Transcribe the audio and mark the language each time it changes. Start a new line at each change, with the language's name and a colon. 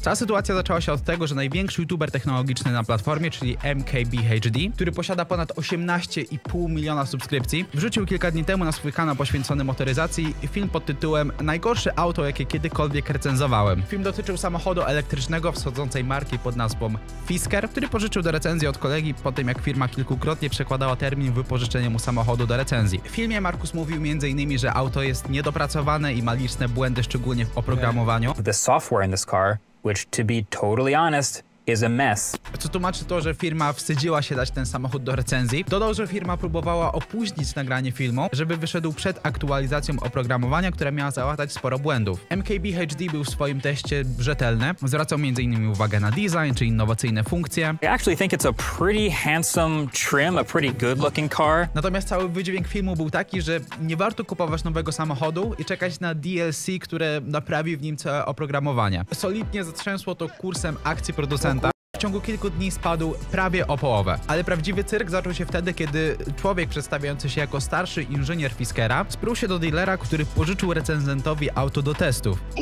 Polish: Cała sytuacja zaczęła się od tego, że największy youtuber technologiczny na platformie, czyli MKBHD, który posiada ponad 18,5 miliona subskrypcji, wrzucił kilka dni temu na swój kanał poświęcony motoryzacji film pod tytułem Najgorsze auto, jakie kiedykolwiek recenzowałem. Film dotyczył samochodu elektrycznego wschodzącej marki pod nazwą Fisker, który pożyczył do recenzji od kolegi po tym, jak firma kilkukrotnie przekładała termin wypożyczenia mu samochodu do recenzji. W filmie Markus mówił m.in., że auto jest niedopracowane i ma liczne błędy, szczególnie w oprogramowaniu.
English: The software in this car, which to be totally honest, is a mess.
Polish: Co tłumaczy to, że firma wstydziła się dać ten samochód do recenzji. Dodał, że firma próbowała opóźnić nagranie filmu, żeby wyszedł przed aktualizacją oprogramowania, która miała załatać sporo błędów. MKBHD był w swoim teście rzetelny. Zwracał m.in. uwagę na design czy innowacyjne funkcje.
English: I actually think it's a pretty handsome trim, a pretty good looking car.
Polish: Natomiast cały wydźwięk filmu był taki, że nie warto kupować nowego samochodu i czekać na DLC, które naprawi w nim całe oprogramowanie. Solidnie zatrzęsło to kursem akcji producenta. ciągu kilku dni spadł prawie o połowę. Ale prawdziwy cyrk zaczął się wtedy, kiedy człowiek przedstawiający się jako starszy inżynier Fiskera sprął się do dealera, który pożyczył recenzentowi auto do testów.